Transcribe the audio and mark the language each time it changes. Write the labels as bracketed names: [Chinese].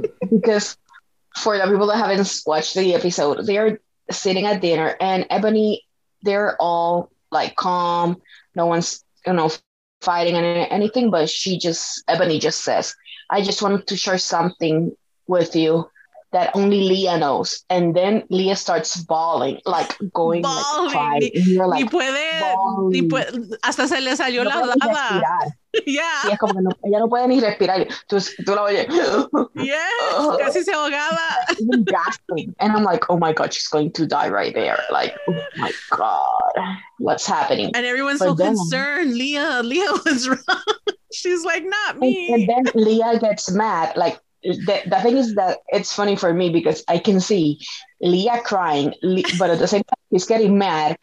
[English] Because for the people that haven't watched the episode, they're sitting at dinner and Ebony, they're all like calm. No one's, you know, fighting and anything, but Ebony just says, I just wanted to share something with you that only Leah knows. And then Leah starts bawling, like going bawling. Like crying. [Spanish] Ni puede, ni puede, hasta se le salió la baba. [English] Yeah. [Spanish] Y es como que no, ella no puede ni respirar. Tú la oyes. Yes, casi se ahogaba. [English] Gasping. And I'm like, oh my God, she's going to die right there. Like, oh my God, what's happening? And everyone's but so then, concerned. Leah was wrong. She's like, not me. And then Leah gets mad. Like, the thing is that it's funny for me because I can see Leah crying, but at the same time, she's getting mad.